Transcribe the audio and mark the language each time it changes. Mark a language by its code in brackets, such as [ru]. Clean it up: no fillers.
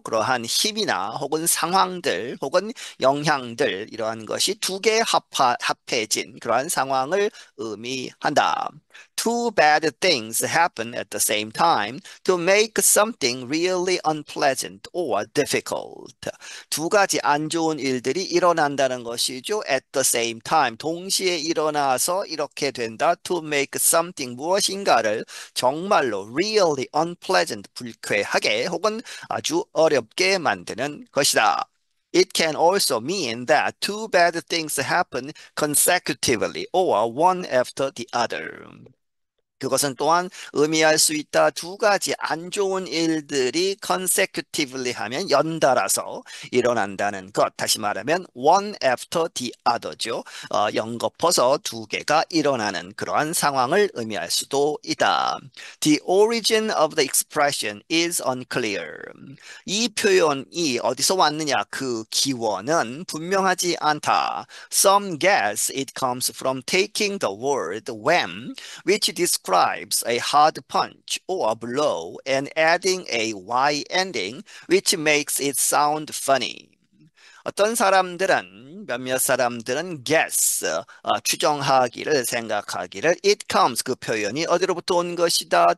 [ko] 그러한 힘이나 혹은 상황들 혹은 영향들 이러한 것이 두개 합해진 그러한 상황을 의미한다. [en] Two bad things happen at the same time to make something really unpleasant or difficult. [ko] 두 가지 안 좋은 일들이 일어난다는 것이죠. [en] At the same time, [ko] 동시에 일어나서 이렇게 된다. [en] To make something [ko] 무엇인가를 정말로 [en] really unpleasant, [ko] 불쾌하게 혹은 아주 어렵게 만드는 것이다. [en] It can also mean that two bad things happen consecutively or one after the other. [ko] 그것은 또한 의미할 수 있다. 두 가지 안 좋은 일들이 consecutively 하면 연달아서 일어난다는 것. 다시 말하면 [en] one after the other [ko] 죠. 연거푸서 두 개가 일어나는 그러한 상황을 의미할 수도 있다. [en] The origin of the expression is unclear. [ko] 이 표현이 어디서 왔느냐? 그 기원은 분명하지 않다. [en] Some guess it comes from taking the word when, which describes a hard punch or a blow and adding a y ending which makes it sound funny. [ko] 어떤 사람들은 몇몇 사람들은 guess 추정하기를 생각하기를 [en] it comes [ko] 그 표현이 어디로부터 온 것이다.